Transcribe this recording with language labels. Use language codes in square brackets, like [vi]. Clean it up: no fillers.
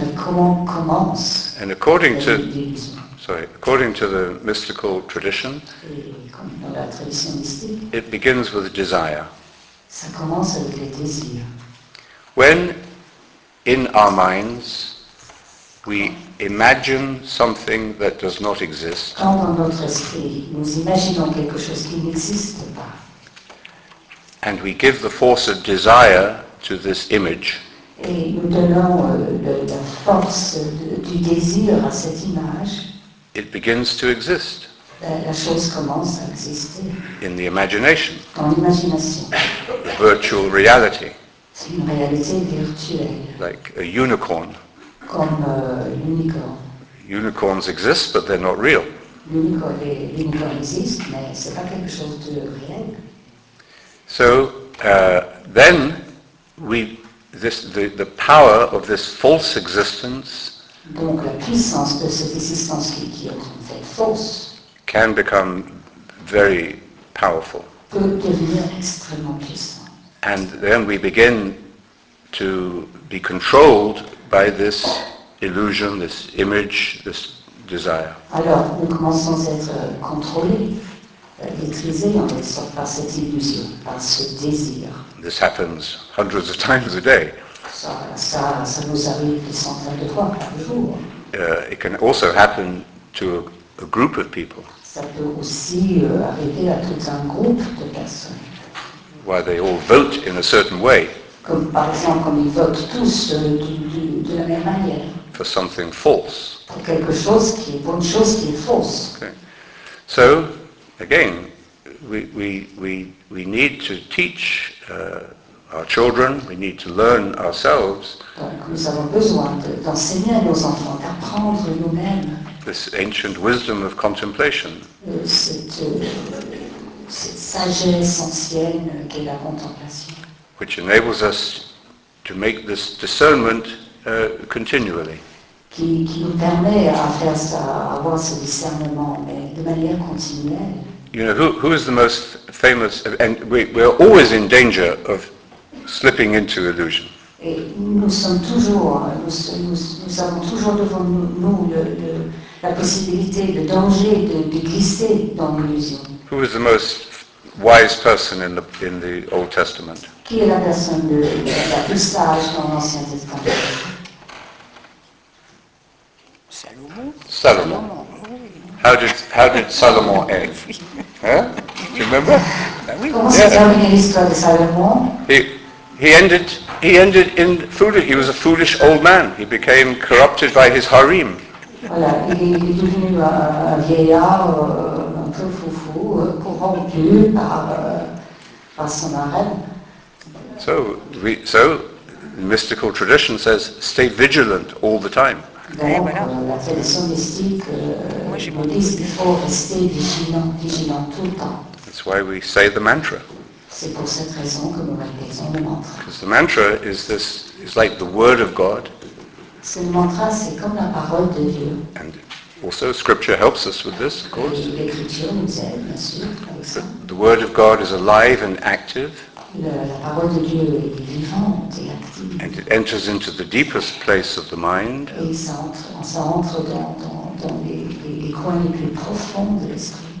[en] And according to the mystical tradition, it begins with desire. [fr] Ça commence avec les désirs. [en] When in our minds we imagine something that does not exist, [fr] quand dans notre esprit nous imaginons quelque chose qui n'existe pas, [en] and we give the force of desire to this image. [fr] Et nous donnons la force du désir à cette image. [en] It begins to exist. [fr] La chose commence à exister. [en] In the imagination. [fr] Dans l'imagination. [en] The virtual reality. [fr] C'est une réalité virtuelle. [en] Like a unicorn. [fr] Comme l'unicorn. [en] Unicorns exist, but they're not real. [fr] L'unicorn existe, mais c'est pas quelque chose de réel. [en] So then, the power of this false existence. [fr] Donc la puissance de cette existence qui est en fait fausse. [en] Can become very powerful. [fr] Peut devenir extrêmement puissant. [en] And then we begin to be controlled by this illusion, this image, this desire. [fr] Alors nous commençons à être contrôlés. Maîtrisé en quelque sorte par cette illusion, par ce désir. [en] This happens hundreds of times a day. [fr] Ça nous arrive des centaines de fois par jour. [en] It can also happen to a group of people. [fr] Ça peut aussi arriver à tout un groupe de personnes. [en] Where they all vote in a certain way. [fr] Comme par exemple, comme ils votent tous de la même manière. [en] For something false. [fr] Pour quelque chose qui est bonne chose qui est fausse. [en] Okay. So. Again, we need to teach our children, we need to learn ourselves. [fr] Donc, nous avons besoin d'enseigner à nos enfants, d'apprendre nous-mêmes. [en] This ancient wisdom of contemplation. [fr] Cette sagesse ancienne qu'est la contemplation. [en] Which enables us to make this discernment continually. [fr] Qui nous permet avoir ce discernement, mais de manière continuelle. [en] You know, who is the most famous, and we're always in danger of slipping into illusion. [fr] Nous avons toujours devant nous la possibilité, le danger de glisser dans l'illusion. [en] Who is the most wise person in the Old Testament? [fr] Qui est la personne la plus sage dans l'Ancien Testament? [en] Salomon. How did Salomon end? Huh? Do you remember? He ended in foolish. He was a foolish old man. He became corrupted by his harem. [fr] Voilà, il est devenu un vieillard un peu foufou, rompu par son arène. [en] So the mystical tradition says stay vigilant all the time. That's why we say the mantra. [fr] C'est pour cette raison que nous répétons le mantra. [en] Because the mantra is like the word of God. [fr] C'est le mantra, c'est comme la parole de Dieu. [en] And also scripture helps us with this, of course. [fr] Et l'écriture nous aide, bien sûr. [en] But the word of God is alive and active. [fr] La parole de Dieu est vivante et active. [en] And it enters into the deepest place of the mind. [fr] Et ça entre dans les coins les plus profonds de l'esprit.